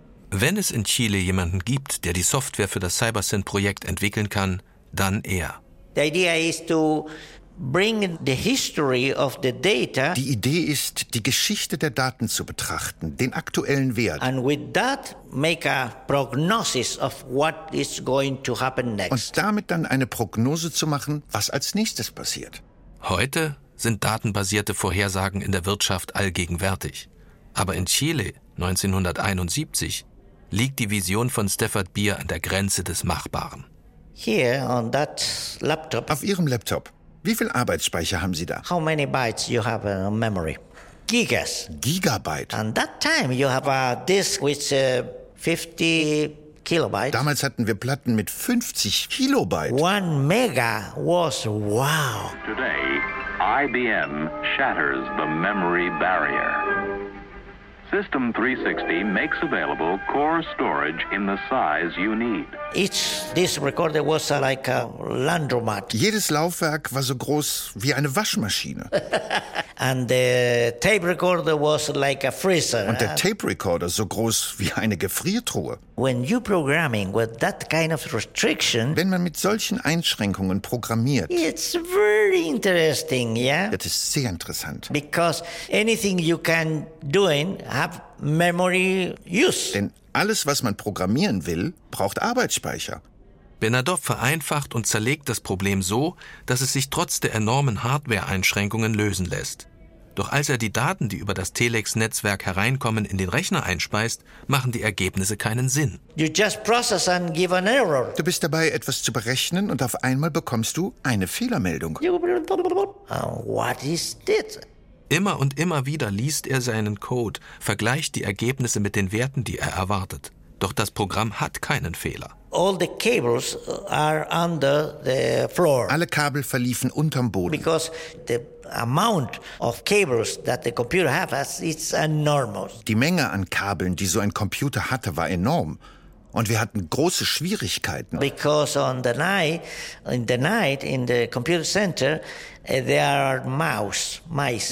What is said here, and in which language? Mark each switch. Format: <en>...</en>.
<de>Wenn es in Chile jemanden gibt, der die Software für das CyberSyn-Projekt entwickeln kann, dann er.</de> <en>The idea is to bring the history of the data.</en> <de>Die Idee ist, die Geschichte der Daten zu betrachten, den aktuellen Wert.</de> <en>And with that make a prognosis of what is going to happen next.</en> <de>Und damit dann eine Prognose zu machen, was als nächstes passiert. Heute sind datenbasierte Vorhersagen in der Wirtschaft allgegenwärtig. Aber in Chile 1971 liegt die Vision von Stafford Beer an der Grenze des Machbaren.</de> <en>Here on that laptop.</en> <de>Auf Ihrem Laptop. Wie viel Arbeitsspeicher haben Sie da?</de> <en>How many bytes you have in memory? Gigas.</en> <de>Gigabyte.</de> <en>And that time you have a disk with 50 kilobytes.</en> <de>Damals hatten wir Platten mit 50 Kilobyte.</de> <en>One mega was wow. Today, IBM shatters the memory barrier. System 360 makes available core storage in the size you need. Each disc recorder was like a laundromat.</en> <de>Jedes Laufwerk war so groß wie eine Waschmaschine.</de> <en>And the tape recorder was like a freezer.</en> <de>Und der Tape Recorder so groß wie eine Gefriertruhe.</de> <en>When you programming with that kind of restriction.</en> <de>Wenn man mit solchen Einschränkungen programmiert.</de> <en>It's very interesting, yeah.</en> <de>Das ist sehr interessant.</de> <en>Because anything you can do in have memory use.</en> <de>Denn alles, was man programmieren will, braucht Arbeitsspeicher. Bernadov vereinfacht und zerlegt das Problem so, dass es sich trotz der enormen Hardware-Einschränkungen lösen lässt. Doch als er die Daten, die über das Telex-Netzwerk hereinkommen, in den Rechner einspeist, machen die Ergebnisse keinen Sinn.</de> <en>You just process and give an error.</en> <de>Du bist dabei, etwas zu berechnen, und auf einmal bekommst du eine Fehlermeldung.</de> <en>What is this?</en> <de>Immer und immer wieder liest er seinen Code, vergleicht die Ergebnisse mit den Werten, die er erwartet. Doch das Programm hat keinen Fehler.</de> <en>All the cables are under the floor.</en> <de>Alle Kabel verliefen unterm Boden.</de> <en>Because the amount of cables that the computer have is enormous.</en> <de>Die Menge an Kabeln, die so ein Computer hatte, war enorm. Und wir hatten große Schwierigkeiten.</de> <en>Because on the night, in the computer center, there are mice.</en>